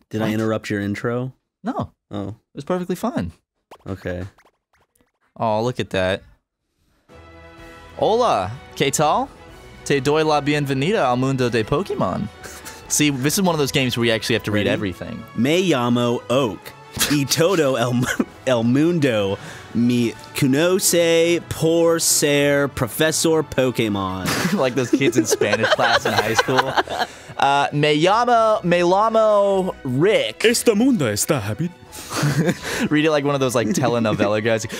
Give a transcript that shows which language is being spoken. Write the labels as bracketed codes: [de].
[en] what? Did I interrupt your intro? No. Oh. It was perfectly fine. Okay. Oh, look at that. [es] Hola, ¿qué tal? Te doy la bienvenida al mundo de Pokemon. [en] See, this is one of those games where you actually have to read everything. [es] Me llamo Oak. Y todo el mundo me conoce por ser Professor Pokemon. [en] Like those kids in Spanish class in high school. [es] Me llamo Rick. Este mundo está habitado. [en] Read it like one of those like telenovela guys.